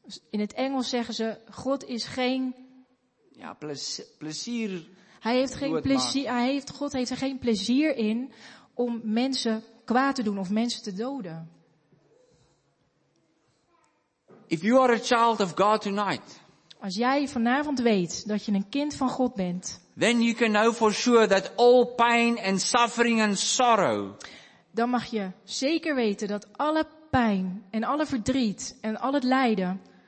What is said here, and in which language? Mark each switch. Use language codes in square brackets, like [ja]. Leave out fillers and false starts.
[nl] In het Engels zeggen ze, God is geen plezier. Hij heeft geen plezier. God heeft er geen plezier in om mensen kwaad te doen of mensen te doden. [en] If you are a child of God tonight. [nl] Als jij vanavond weet dat je een kind van God bent. [en] Then you can know for sure that all pain and suffering and sorrow. [nl] Dan mag je zeker weten dat alle pijn en alle verdriet en al het lijden